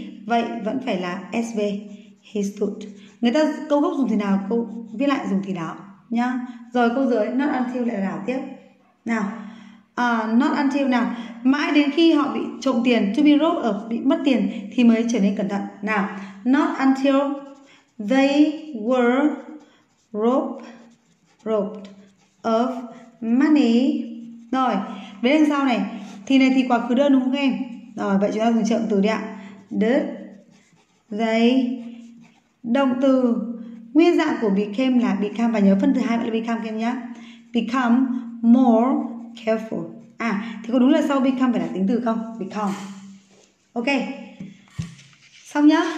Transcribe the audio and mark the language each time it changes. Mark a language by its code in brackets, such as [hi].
[vi] Vậy vẫn phải là SV. [en] He stood. [vi] Người ta câu gốc dùng thì nào? Câu viết lại dùng thì đó. Nhá. Rồi câu dưới, not until lại đảo tiếp. Nào, not until nào. Mãi đến khi họ bị trộm tiền, to be robbed of, bị mất tiền thì mới trở nên cẩn thận. Nào, [en] not until they were robbed of money. [vi] Rồi, với đằng sau này, thì này thì quá khứ đơn đúng không em? Rồi, vậy chúng ta dùng trợ từ đi ạ. Did they, động từ nguyên dạng của became là become, và nhớ phân thứ hai vậy là become em nhé. [en] Become more careful. [vi] À, thì có đúng là sau become phải là tính từ không? Become. Ok. Xong nhá.